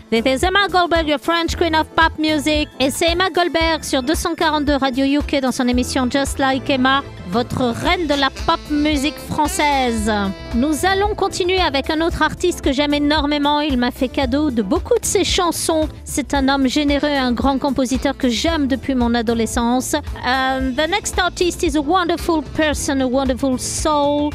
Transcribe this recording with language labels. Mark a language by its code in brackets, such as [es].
[en] This is Emma Goldberg, your French queen of pop music. [fr] Et c'est Emma Goldberg sur 242 Radio UK dans son émission Just Like Emma, votre reine de la pop musique française. Nous allons continuer avec un autre artiste que j'aime énormément. Il m'a fait cadeau de beaucoup de ses chansons. C'est un homme généreux, un grand compositeur que j'aime depuis mon adolescence. [en] The next artist is a wonderful person, a wonderful soul.